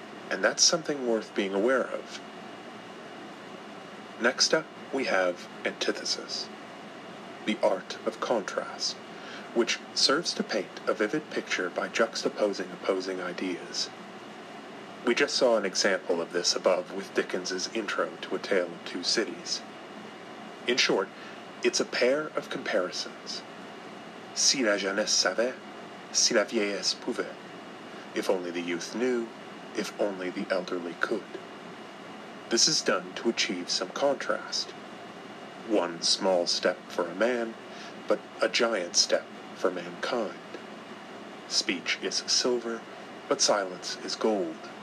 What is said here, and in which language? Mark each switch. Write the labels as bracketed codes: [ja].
[en] And that's something worth being aware of. Next up, we have antithesis, the art of contrast, which serves to paint a vivid picture by juxtaposing opposing ideas. We just saw an example of this above with Dickens's intro to A Tale of Two Cities. In short, it's a pair of comparisons. [fr] Si la jeunesse savait, si la vieillesse pouvait. [en] If only the youth knew, if only the elderly could. This is done to achieve some contrast. One small step for a man, but a giant step for mankind. Speech is silver, but silence is gold.